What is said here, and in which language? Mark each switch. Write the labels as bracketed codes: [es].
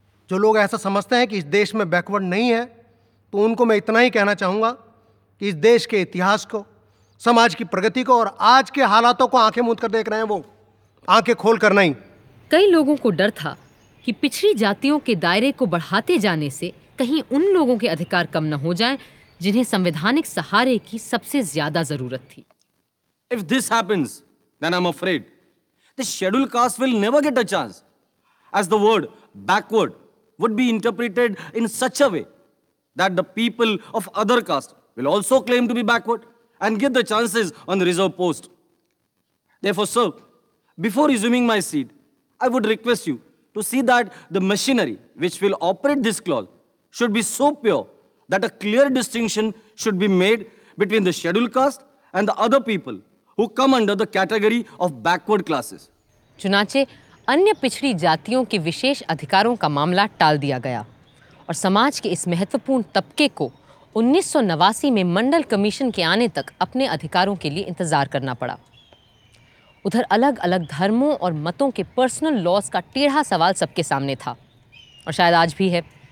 [hi] जो लोग ऐसा समझते हैं कि इस देश में बैकवर्ड नहीं है, तो उनको मैं इतना ही कहना चाहूँगा कि इस देश के इतिहास को, समाज की प्रगति को और आज के हालातों को आँखें मूंद कर देख रहे हैं, वो आँखें खोल कर नहीं। कई लोगों को डर था कि पिछड़ी जातियों के दायरे को बढ़ाते जाने से कहीं उन लोगों के अधिकार कम न हो जाएं जिन्हें संवैधानिक सहारे की सबसे ज्यादा जरूरत थी। [en] If this happens, then I'm afraid the scheduled caste will never get a chance, as the word backward would be interpreted in such a way that the people of other caste will also claim to be backward and get the chances on the reserve post. Therefore, sir, before resuming my seat, I would request you to see that the machinery which will operate this clause should be so pure that a clear distinction should be made between the scheduled caste and the other people who come under the category of backward classes. [hi] चुनाचे अन्य पिछड़ी जातियों के विशेष अधिकारों का मामला टाल दिया गया और समाज के इस महत्वपूर्ण तबके को 1989 में मंडल कमीशन के आने तक अपने अधिकारों के लिए इंतजार करना पड़ा। उधर अलग अलग धर्मों और मतों के पर्सनल लॉस का टेढ़ा सवाल सबके सामने था और शायद आज भी है।